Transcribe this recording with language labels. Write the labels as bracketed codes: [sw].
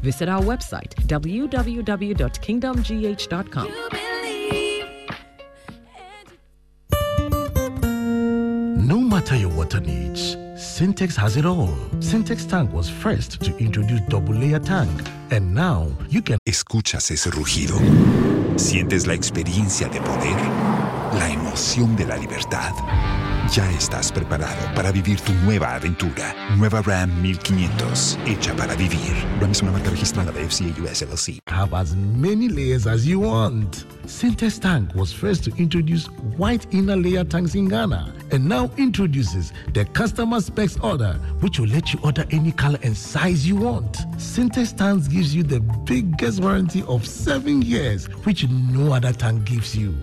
[en] Visit our website, www.kingdomgh.com. No matter your water needs, Syntex has it all. Syntex Tank was first to introduce double layer tank, and now you can. [es] Escuchas ese rugido. Sientes la experiencia de poder, la emoción de la libertad. Ya estás preparado para vivir tu nueva aventura. Nueva Ram 1500, hecha para vivir. Ram es una marca registrada de FCA US LLC. [en] Have as many layers as you want. Syntex Tank was first to introduce white inner layer tanks in Ghana and now introduces the customer specs order, which will let you order any color and size you want. Syntex Tank gives you the biggest warranty of 7 years, which no other tank gives you.